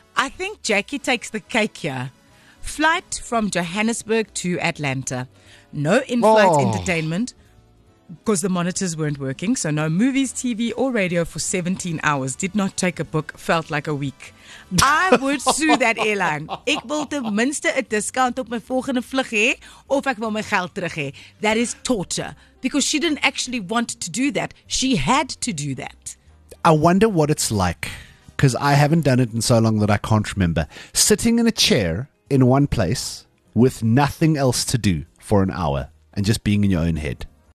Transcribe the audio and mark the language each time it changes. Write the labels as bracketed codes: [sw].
[en] I think Jackie takes the cake here. Flight from Johannesburg to Atlanta. No in-flight entertainment, because the monitors weren't working. So no movies, TV or radio for 17 hours. Did not take a book, felt like a week. I would sue that airline. [af] Ek wil ten minste 'n discount op my volgende vlug hê of ek wil my geld terug hê. [en] That is torture. Because she didn't actually want to do that. She had to do that. I wonder what it's like, because I haven't done it in so long that I can't remember. Sitting in a chair in one place with nothing else to do for an hour and just being in your own head.